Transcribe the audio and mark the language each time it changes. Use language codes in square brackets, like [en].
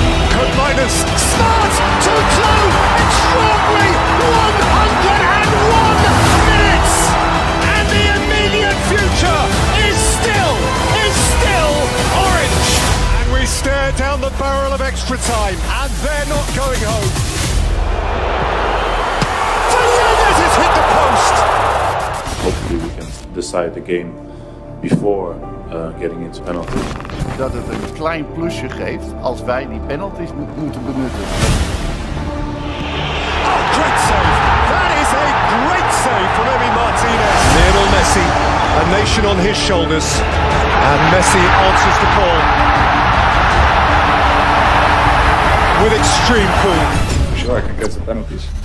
[en] Combiners, smart, too close, extraordinary, 101 minutes, and the immediate future is still orange. We stare down the barrel of extra time, and they're not going home. Fernandez has hit the post! Hopefully we can decide the game before getting into penalties. [nl] Dat het een klein plusje geeft als wij die penalties moeten benutten. [en] Oh, great save! That is a great save from Emi Martinez. Lionel Messi, a nation on his shoulders, and Messi answers the call. With extreme cool. Sure, I can get the penalties.